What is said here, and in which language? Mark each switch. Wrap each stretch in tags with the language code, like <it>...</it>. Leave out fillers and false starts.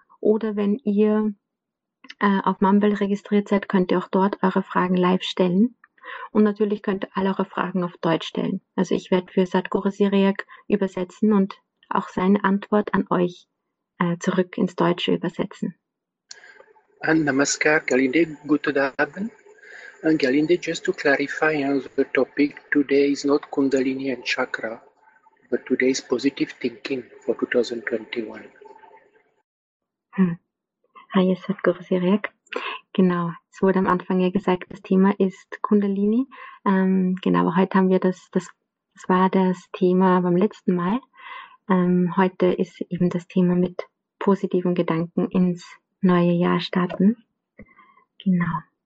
<de>Oder wenn ihr auf Mumble registriert seid, könnt ihr auch dort eure Fragen live stellen. Und natürlich könnt ihr alle eure Fragen auf Deutsch stellen. Also ich werde für Sadhguru Cyriaque übersetzen und auch seine Antwort an euch zurück ins Deutsche übersetzen. Namaskar, Gelinde, guten Abend.</de> <en>Gelinde, just to clarify, the topic today is not Kundalini and Chakra, but today is positive thinking for 2021.</en> <de>Hi, es hat Guru Cyriaque. Genau, es wurde am Anfang ja gesagt, das Thema ist Kundalini. Genau, aber heute haben wir das war das Thema beim letzten Mal. Heute ist eben das Thema mit positiven Gedanken ins neue Jahr starten. Genau.</de>